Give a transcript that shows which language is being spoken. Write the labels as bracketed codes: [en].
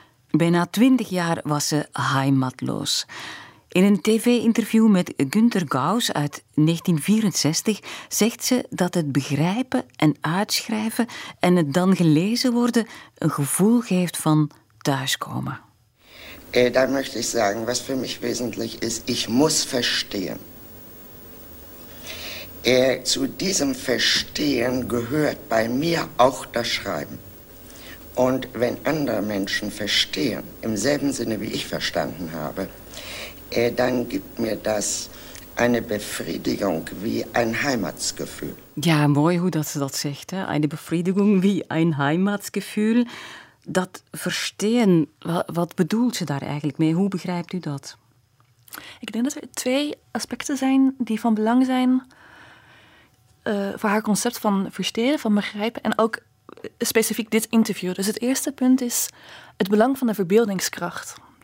[nl] Bijna 20 jaar was ze heimatloos. In een tv-interview met Günter Gauss uit 1964 zegt ze dat het begrijpen en uitschrijven en het dan gelezen worden een gevoel geeft van thuiskomen. [de] Da möchte ich sagen, was für mich wesentlich ist, ich muss verstehen. Zu diesem Verstehen gehört bei mir auch das Schreiben. Und wenn andere Menschen verstehen, im selben Sinne, wie ich verstanden habe, dann gibt mir das eine Befriedigung wie ein Heimatsgefühl. [nl] Ja, mooi hoe dat ze dat zegt, hè? [de] Eine Befriedigung wie ein Heimatsgefühl. [nl] Dat verstehen, wat bedoelt ze daar eigenlijk mee? Hoe begrijpt u dat? Ik denk dat er twee aspecten zijn die van belang zijn voor haar concept van verstehen, van begrijpen en ook specifiek dit interview. Dus het eerste punt is het belang van de verbeeldingskracht.